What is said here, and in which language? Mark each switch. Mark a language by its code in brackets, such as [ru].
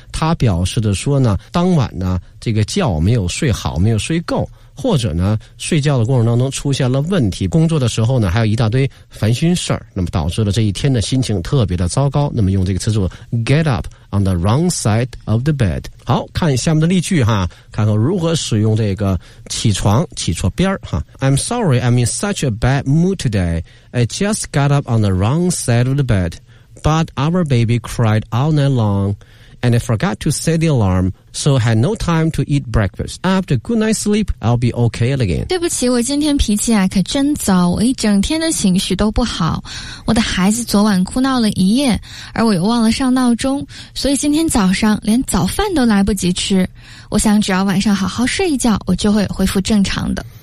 [zh] 他表示的说呢，当晚呢这个觉没有睡好，没有睡够，或者呢睡觉的过程当中出现了问题，工作的时候呢还有一大堆烦心事儿，那么导致了这一天的心情特别的糟糕。那么用这个词组 [en] get up on the wrong side of the bed。 [zh] 好，看下面的例句哈，看看如何使用这个起床起错边哈。 [en] I'm sorry I'm in such a bad mood today. I just got up on the wrong side of the bed. But our baby cried all night long, and I forgot to set the alarm, so I had no time to eat breakfast. After good night's sleep, I'll be okay again. [zh] 对不起，我今天脾气啊可真糟，我一整天的情绪都不好。我的孩子昨晚哭闹了一夜，而我又忘了上闹钟，所以今天早上连早饭都来不及吃。我想只要晚上好好睡一觉，我就会恢复正常的。